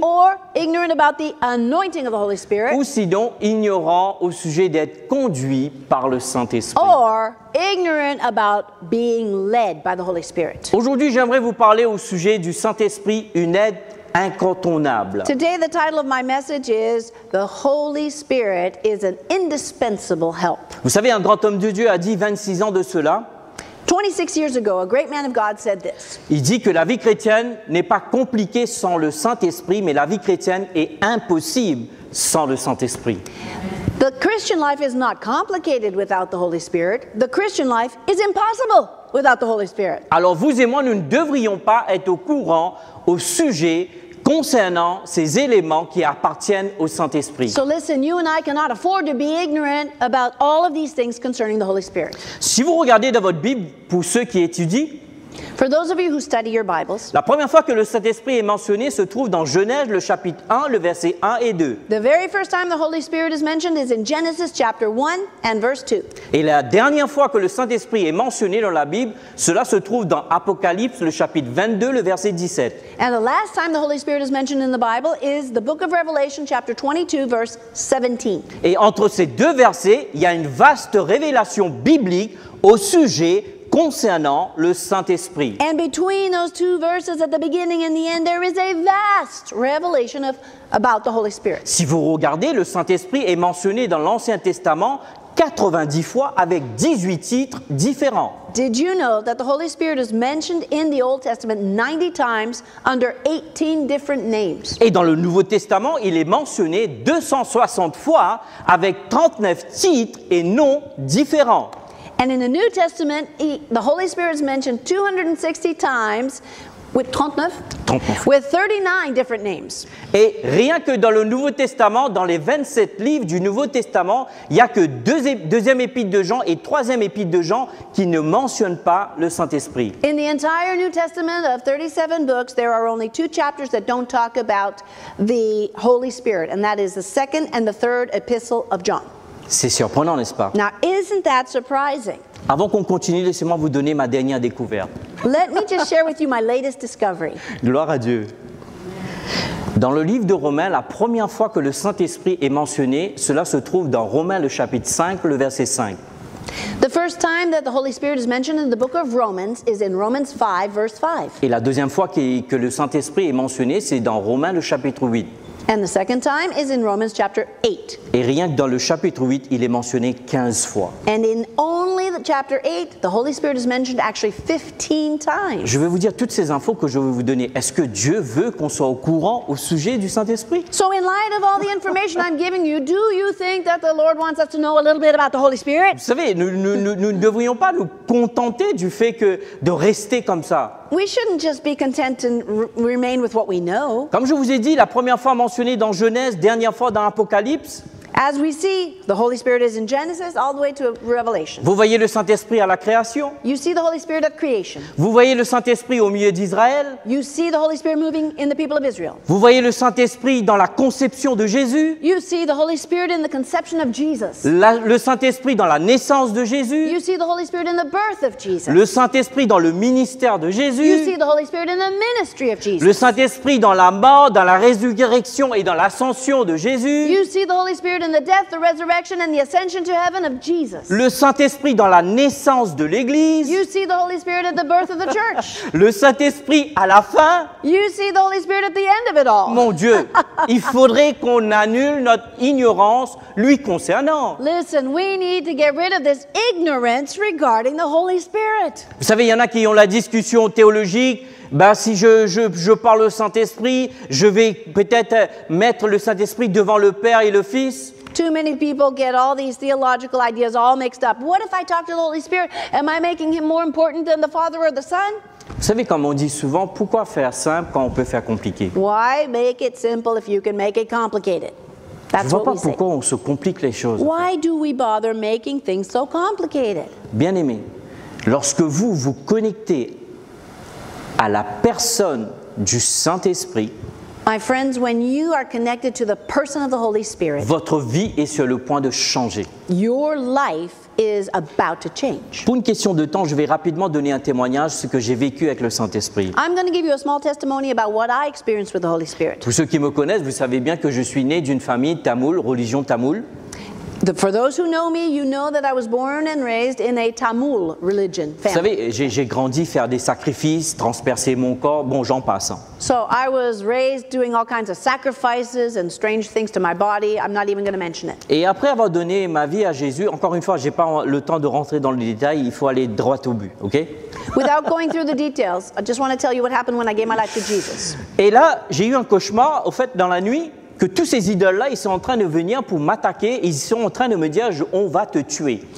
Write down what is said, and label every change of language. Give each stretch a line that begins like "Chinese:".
English: Or ignorant about the anointing of the Holy Spirit.
French: Ou sinon ignorant au sujet d'être conduit par le Saint-Esprit.
English: Or ignorant about being led by the Holy Spirit.
French: Aujourd'hui, j'aimerais vous parler au sujet du Saint-Esprit, une aide incontournable.
English: Today, the title of my message is "The Holy Spirit is an indispensable help."
French: Vous savez, un grand homme de Dieu a dit 26 ans de cela.
English: 26 years ago, a great man of God said this.
French: Il dit que la vie chrétienne n'est pas compliquée sans le Saint-Esprit, mais la vie chrétienne est impossible sans le Saint-Esprit.
English: The Christian life is not complicated without the Holy Spirit. The Christian life is impossible without the Holy Spirit.
French: Alors vous et moi, nous ne devrions pas être au courant au sujet concernant ces éléments qui appartiennent au Saint-Esprit.
English: So listen, you and I cannot afford to be ignorant about all of these things concerning the Holy Spirit.
French: Si vous regardez dans votre Bible, pour ceux qui étudient,
English: for those of you who study your Bibles,
French: la première fois que le Saint-Esprit est mentionné se trouve dans Genèse, le chapitre 1, le verset 1 et 2.
English: The very first time the Holy Spirit is mentioned is in Genesis chapter 1 and verse 2.
French: Et la dernière fois que le Saint-Esprit est mentionné dans la Bible, cela se trouve dans Apocalypse, le chapitre 22, le verset 17.
English: And the last time the Holy Spirit is mentioned in the Bible is the book of Revelation, chapter 22, verse 17.
French: Et entre ces deux versets, il y a une vaste révélation biblique au sujet concernant le Saint-Esprit.
English: And between those two verses at the beginning and the end, there is a vast revelation of about the Holy Spirit.
French: Si vous regardez, le Saint-Esprit est mentionné dans l'Ancien Testament 90 fois avec 18 titres différents.
English: Did you know that the Holy Spirit is mentioned in the Old Testament 90 times under 18 different names?
French: Et dans le Nouveau Testament, il est mentionné 260 fois avec 39 titres et noms différents.
English: And in the New Testament, the Holy Spirit is mentioned 260 times With 39? 39. With 39 different names.
French: Et rien que dans le Nouveau Testament, dans les 27 livres du Nouveau Testament, il n'y a que deuxième épître de Jean et troisième épître de Jean qui ne mentionnent pas le Saint-Esprit.
English: In the entire New Testament of 37 books, there are only two chapters that don't talk about the Holy Spirit, and that is the second and the third epistle of John.
French: C'est surprenant, n'est-ce pas?
English: Now, isn't that surprising?
French: Avant qu'on continue, laissez-moi vous donner ma dernière découverte.
English: Let me just share with you my latest discovery.
French: Gloire à Dieu. Dans le livre de Romains, la première fois que le Saint-Esprit est mentionné, cela se trouve dans Romains le chapitre 5, le verset 5.
English: The first time that the Holy Spirit is mentioned in the book of Romans is in Romans 5, verse 5.
French: Et la deuxième fois que le Saint-Esprit est mentionné, c'est dans Romains le chapitre 8.
English: And the second time is in Romans chapter 8.
French: Et rien que dans le chapitre 8, il est mentionné 15 fois.
English: And in only the chapter 8, the Holy Spirit is mentioned actually 15 times.
French: Je vais vous dire toutes ces infos que je vais vous donner. Est-ce que Dieu veut qu'on soit au courant au sujet du Saint-Esprit?
English: So in light of all the information I'm giving you, do you think that the Lord wants us to know a little bit about the Holy Spirit?
French: Vous savez, nous ne devrions pas nous contenter du fait que de rester comme ça.
English: We shouldn't just be content and remain with what we know.
French: Comme je vous ai dit, la première fois mentionnée dans Genèse, dernière fois dans Apocalypse.
English: As we see, the Holy Spirit is in Genesis all the way to Revelation.
French: Vous voyez le Saint-Esprit à la création.
English: You see the Holy Spirit at creation.
French: Vous voyez le Saint-Esprit au milieu d'Israël.
English: You see the Holy Spirit moving in the people of Israel.
French: Vous voyez le Saint-Esprit dans la conception de Jésus.
English: You see the Holy Spirit in the conception of Jesus.
French: Le Saint-Esprit dans la naissance de Jésus.
English: You see the Holy Spirit in the birth of Jesus.
French: Le Saint-Esprit dans le ministère de Jésus.
English: You see the Holy Spirit in the ministry of Jesus.
French: Le Saint-Esprit dans la mort, dans la résurrection et dans l'ascension de Jésus.
English: You see the Holy Spirit in the death, the resurrection, and the ascension to heaven of Jesus.
French: Le Saint-Esprit dans la naissance de l'Église.
English: You see the Holy Spirit at the birth of the church.
French: Le Saint-Esprit à la fin.
English: You see the Holy Spirit at the end of it all.
French: Mon Dieu, il faudrait qu'on annule notre ignorance lui concernant.
English: Listen, we need to get rid of this ignorance regarding the Holy Spirit.
French: Vous savez, il y en a qui ont la discussion théologique. Ben, si je parle au Saint-Esprit, je vais peut-être mettre le Saint-Esprit devant le Père et le Fils.
English: Too many people get all these theological ideas all mixed up. What if I talk to the Holy Spirit? Am I making him more important than the Father or the Son?
French: Vous savez, comme on dit souvent, pourquoi faire simple quand on peut faire compliqué?
English: Why make it simple if you can make it complicated? That's
French: je ne vois pas pourquoi on se complique les choses.
English: Why do we bother making things so complicated?
French: Bien-aimé, lorsque vous connectez à la personne du Saint-Esprit.
English: My friends, when you are connected to the person of the Holy Spirit,
French: votre vie est sur le point de changer.
English: Your life is about to change.
French: Pour une question de temps, je vais rapidement donner un témoignage ce que j'ai vécu avec le Saint-Esprit.
English: I'm going to give you a small testimony about what I experienced with the Holy Spirit.
French: Pour ceux qui me connaissent, vous savez bien que je suis né d'une famille tamoule, religion tamoule.
English: For those who know me, you know that I was born and raised in a Tamil religion family.
French: Vous savez, j'ai grandi faire des sacrifices, transpercer mon corps, bon, j'en passe.
English: So I was raised doing all kinds of sacrifices and strange things to my body. I'm not even going to mention it.
French: Et après avoir donné ma vie à Jésus, encore une fois, j'ai pas le temps de rentrer dans les détails. Il faut aller droit au but, ok?
English: Without going through the details, I just want to tell you what happened when I gave my life to Jesus.
French: Et là, j'ai eu un cauchemar, au fait, dans la nuit. Que tous ces idoles-là, ils sont en train de venir pour m'attaquer. Ils sont en train de me dire, on va te tuer.